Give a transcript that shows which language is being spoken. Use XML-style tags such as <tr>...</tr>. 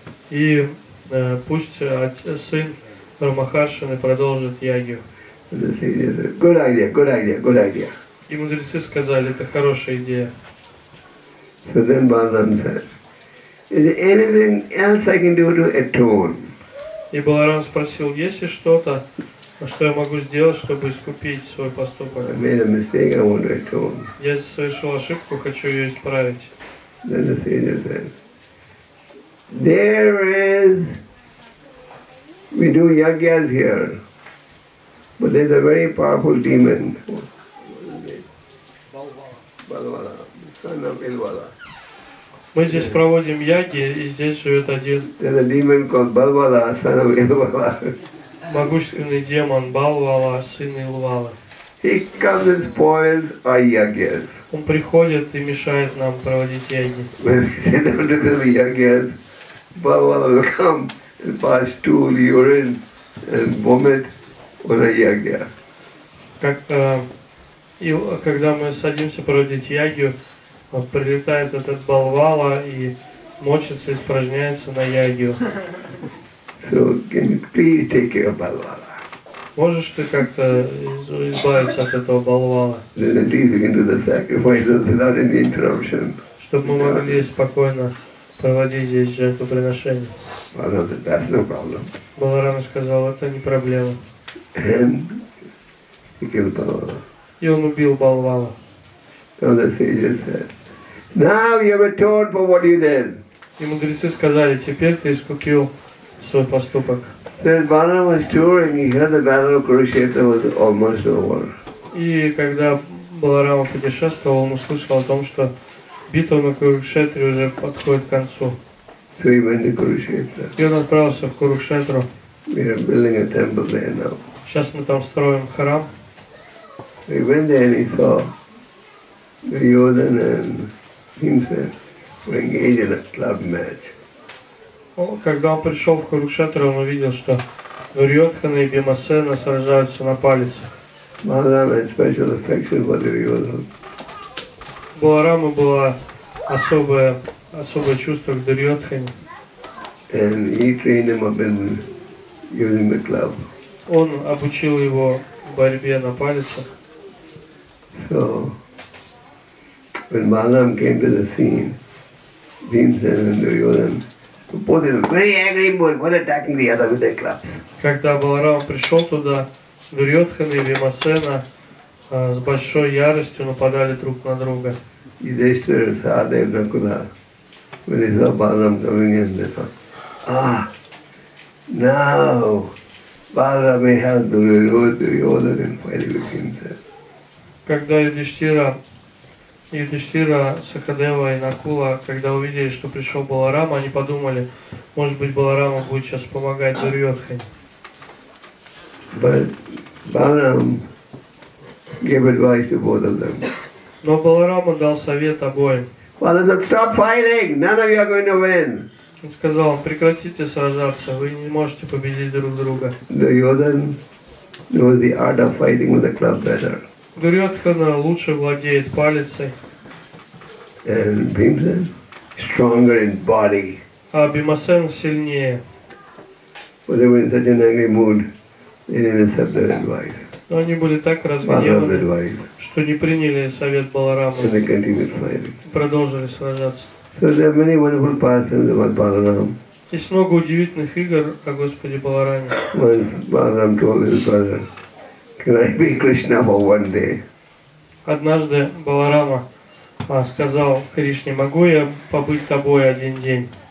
<ru>И пусть сын Рамахаршины продолжит ягью.</ru> <en>Good idea.</en> <ru>И мудрецы сказали, это хорошая идея.</ru> <en>So then Balaram said, is there anything else I can do to atone?</en> <ru>И Баларам спросил, есть ли что-то, что я могу сделать, чтобы искупить свой поступок?</ru> <en>I made a mistake, I want to atone.</en> <ru>Я совершил ошибку, хочу ее исправить.</ru> <en>Then the senior said, there is, we do yagyas here, but there's a very powerful demon. Balvala. Son of Ilvala.</en> <ru>Мы здесь проводим яги, и здесь живет один.</ru> <en>There's a demon called Balvala, son of Ilvala.</en> <ru>Могущественный демон Балвала, сын Илвала.</ru> <en>He comes and spoils our yagyas.</en> <ru>Он приходит и мешает нам проводить яги.</ru> <en>When we sit down to do the yagyas, Balvala will come and pass stool, urine and vomit on a yagya.</en> <ru>Когда мы садимся проводить ягью, прилетает этот Балвала и мочится, испражняется на ягью.</ru> <en>So, can you please take care of Balvala?</en> <ru>Можешь ты как-то избавиться от этого Балвала?</ru> <en>Then at least we can do the sacrifices without any interruption.</en> <ru>Чтобы мы могли спокойно проводить здесь жертвоприношение.</ru> <en>Balvala said, that's no problem.</en> <ru>Баларам сказал, это не проблема.</ru> <en>And he killed Balvala.</en> <ru>И он убил Балвала.</ru> <en>So the sages said, now you have atoned for what you did.</en> <ru>И мудрецы сказали, теперь ты искупил свой поступок.</ru> <en>Then Balaram was touring, he heard the battle of Kurukshetra was almost over.</en> <ru>И когда Баларама путешествовал, он услышал о том, что битва на Курукшетре уже подходит к концу.</ru> <en>So he went to Kurukshetra.</en> <ru>И он отправился в Курукшетру.</ru> <en>We are building a temple there now.</en> <ru>Сейчас мы там строим храм.</ru> <en>So he went there and he saw Duryodhana and Bhimsena were engaged in a club match.</en> <ru>Когда он пришел в Курукшетру, он увидел, что Дурьотхана и Бхимасена сражаются на палицах.</ru> <en>Баларама had special affection for Duryodhana.</en> <ru>Баларама было особое чувство к Дурьотхане.</ru> <en>And he trained him up in using the club.</en> <ru>Он обучил его борьбе на палицах.</ru> <en>So, when Баларама came to the scene, Бхимсена and Дурьотхана, both of them very angry, both one attacking the other with their clubs.</en> <ru>Когда Баларама пришел туда, Дурьотхана и Бхимасена с большой яростью нападали друг на друга.</ru> <en>Yudhishthira and Sahadev Nakula, when they saw Balaram coming in, they thought, ah, now Balaram may help Duryodhana in fighting with himself.</en> <ru>Когда Юдиштира, Сахадева и Накула, когда увидели, что пришел Баларама, они подумали, может быть, Баларама будет сейчас помогать Дурьотхане.</ru> <en>But Balaram gave advice to both of them.</en> <ru>Но Баларама дал совет обоим.</ru> <en>Balaram said, stop fighting! None of you are going to win.</en> <ru>Он сказал, прекратите сражаться, вы не можете победить друг друга.</ru> <en>Duryodhana knows the art of fighting with the club better.</en> <ru>Дурьотхана лучше владеет палицей.</ru> <en>And Bhimsen stronger in body.</en> <ru>А Бхимасен сильнее.</ru> <en>But they were in such an angry mood, they didn't accept their advice.</en> <ru>Но они были так разгневаны, что не приняли совет Баларамы.</ru> <en>And they continued fighting.</en> <ru>Продолжили сражаться.</ru> <en>So there are many wonderful pastimes about Balaram.</en> <ru>Есть много удивительных игр о Господе Балараме.</ru> <en>When Balaram told his brother, can I be Krishna for one day?</en> <ru>Однажды Баларама сказал Кришне, могу я побыть тобой один день?</ru>